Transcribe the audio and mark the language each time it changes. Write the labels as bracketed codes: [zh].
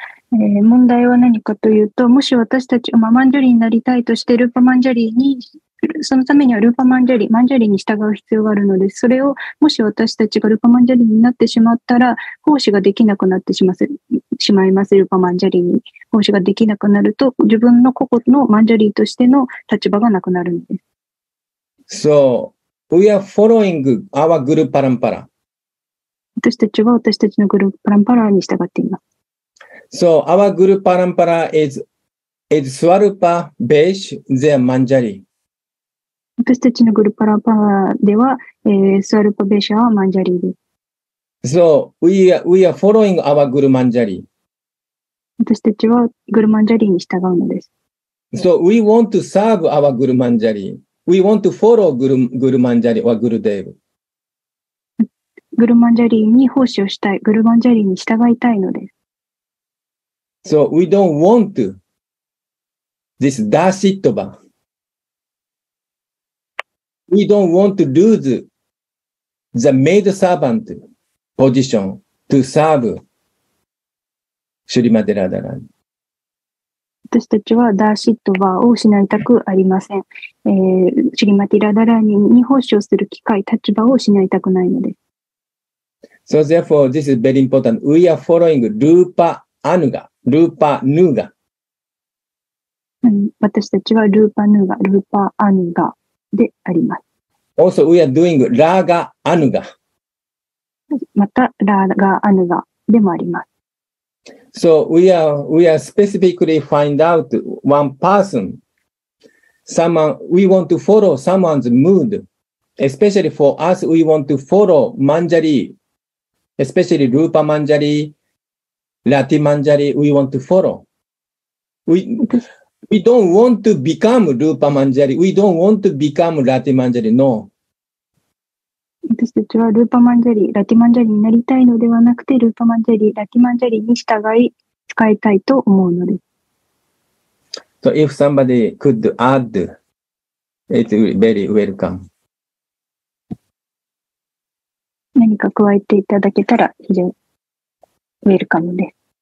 [ja] 問題は何かというと、もし私たちがマンジャリになりたいとして、ルーパマンジャリに、そのためにはルーパマンジャリ、マンジャリに従う必要があるので、それを、もし私たちがルーパマンジャリになってしまったら、奉仕ができなくなってしまいます、ルーパマンジャリに。奉仕ができなくなると、自分の個々のマンジャリとしての立場がなくなるんです。 [en] So,We are following our Guru Parampara. [ja] 私たちは私たちのグルパランパラに従っています。 [en] So, our Guru Parampara is Swarupa, Besh, their Manjari. [ja] 私たちのグルパランパラでは、Swarupa, Besh はマンジャリです [en] 。 So, we are following our Guru Manjari. [ja] 私たちはグルマンジャリに従うのです。 [en] So, we want to serve our Guru Manjari. We want to follow Guru Manjari or Guru Dev. [ja] Guru Manjari に奉仕をしたい、Guru Manjariに従いたいのです。 [en] So we don't want to this Dasittoba. We don't want to lose the maid servant position to serve Srimati Radharani. [ja] 私たちはダーシットバーを失いたくありません。シリマティラダラニに奉仕をする機会、立場を失いたくないのです。 [en] So therefore, this is very important. We are following Rupa Anuga, Rupa Nuga. [ja] 私たちはルーパヌーガ、ルーパアヌガであります。 [en] Also, we are doing Raga Anuga. [ja] また、ラーガアヌガでもあります。 [en] So we are specifically find out one person, someone, we want to follow someone's mood, especially for us, we want to follow Manjari, especially Rupa Manjari, Lati Manjari, we want to follow. We don't want to become Rupa Manjari, we don't want to become Lati Manjari, no. [ja] 私たちはルーパマンジャリ、ラティマンジャリになりたいのではなくて、ルーパマンジャリ、ラティマンジャリに従い、使いたいと思うのです。 [en] So if somebody could add, it's very welcome. [ja] 何か加えていただけたら非常にウェルカムです。